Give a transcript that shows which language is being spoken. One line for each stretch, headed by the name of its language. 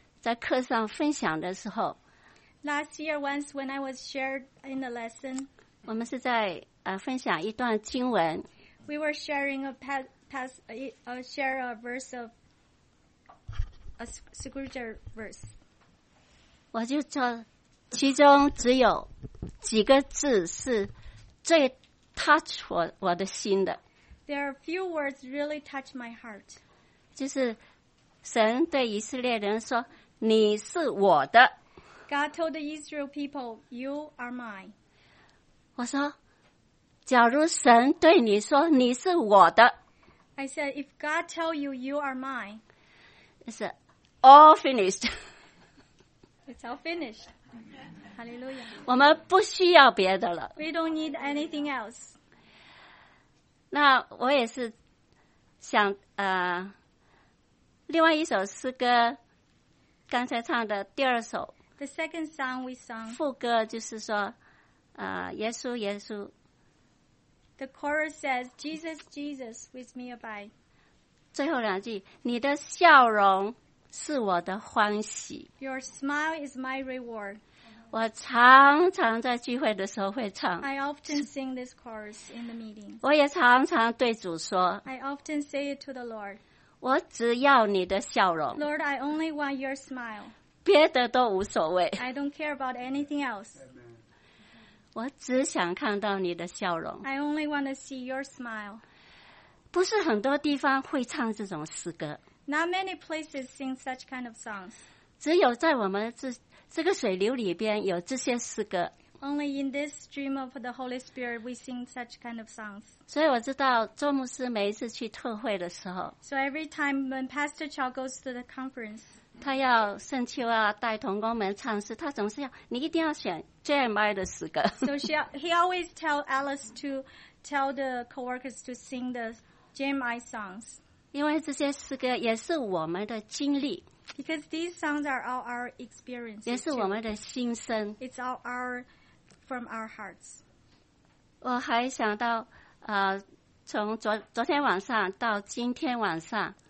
Chinese: 我大概去年有一次在课上分享的时候。
English: Last year once when I was shared in the lesson.
Chinese: 我们是在分享一段经文。
English: We were sharing a scripture verse.
Chinese: 我就说，其中只有几个字是最 touch 我的心的。
English: There are few words really touch my heart.
Chinese: 就是神对以色列人说，你是我的。
English: God told the Israel people, you are mine.
Chinese: 我说，假如神对你说，你是我的。
English: I said, if God tell you, you are mine. It's all finished. It's all finished. Hallelujah.
Chinese: 我们不需要别的了。
English: We don't need anything else.
Chinese: 那我也是想另外一首诗歌刚才唱的第二首。
English: The second song we sung.
Chinese: 副歌就是说耶稣耶稣。
English: The chorus says, Jesus, Jesus, with me abide.
Chinese: 最后两句，你的笑容是我的欢喜。
English: Your smile is my reward.
Chinese: 我常常在聚会的时候会唱。
English: I often sing this chorus in the meeting.
Chinese: 我也常常对主说。
English: I often say it to the Lord.
Chinese: 我只要你的笑容。
English: Lord, I only want your smile.
Chinese: 别的都无所谓。
English: I don't care about anything else.
Chinese: 我只想看到你的笑容。
English: I only want to see your smile.
Chinese: 不是很多地方会唱这种诗歌。
English: Not many places sing such kind of songs.
Chinese: 只有在我们这个水流里边有这些诗歌。
English: Only in this stream of the Holy Spirit we sing such kind of songs.
Chinese: 所以我知道周牧师每一次去特会的时候。
English: So every time when Pastor Chow goes to the conference.
Chinese: 他要圣秋啊带同工们唱诗，他总是要你一定要选JMI 的诗歌。
English: So he always tell Alice to tell the coworkers to sing the JMI songs.
Chinese: 因为这些诗歌也是我们的经历。
English: Because these songs are all our experiences.
Chinese: 也是我们的心声。
English: It's all our from our hearts.
Chinese: 我还想到从昨天晚上到今天晚上。